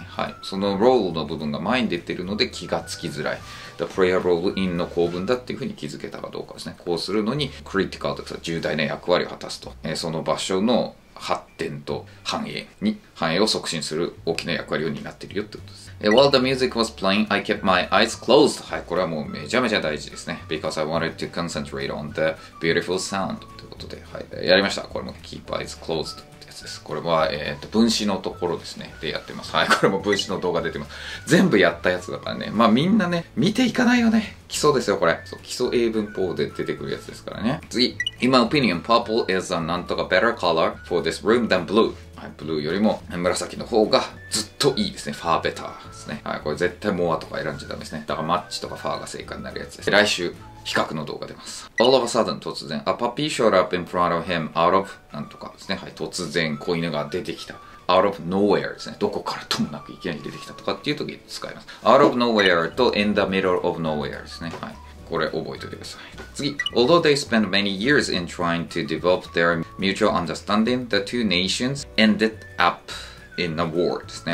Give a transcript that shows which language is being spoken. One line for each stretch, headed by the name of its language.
Japanese: はい、その role の部分が前に出てるので気がつきづらい。
English: The player role in
Japanese: の構文だっていう風に気づけたかどうかですね。こうするのに critical とか重大な役割を果たすと、その場所の発展と繁栄に、繁栄を促進する大きな役割を担っているよってことです。
English: While the music was playing, I kept my eyes closed.
Japanese: はい、これはもうめちゃめちゃ大事ですね。
English: Because I wanted to concentrate on the beautiful sound.
Japanese: ということで、はい、やりました。これも
English: keep eyes closed.
Japanese: です。これは、分子のところですね。でやってます。はい、これも分子の動画出てます。全部やったやつだからね。まあみんなね、見ていかないよね。基礎ですよ、これ。そう、基礎英文法で出てくるやつですからね。次。
English: In my opinion, purple is a
Japanese: なんとか
English: better color for this room than blue.
Japanese: はい、ブルーよりも紫の方がずっといいですね。ファーベターですね。はい、これ絶対モアとか選んじゃダメですね。だからマッチとかファーが正解になるやつです。来週。比較の動画出ます。
English: All of a sudden
Japanese: 突然
English: A puppy showed up in front of him out of
Japanese: なんとかですね。はい、突然子犬が出てきた。
English: Out of nowhere
Japanese: ですね。どこからともなくいきなり出てきたとかっていう時に使います。
English: Out of nowhere
Japanese: と
English: In the middle of nowhere
Japanese: ですね。はい、これ覚えておいてください。次、
English: Although they spent many years in trying to develop their mutual understanding, the two nations ended upIn a war
Japanese: ですね。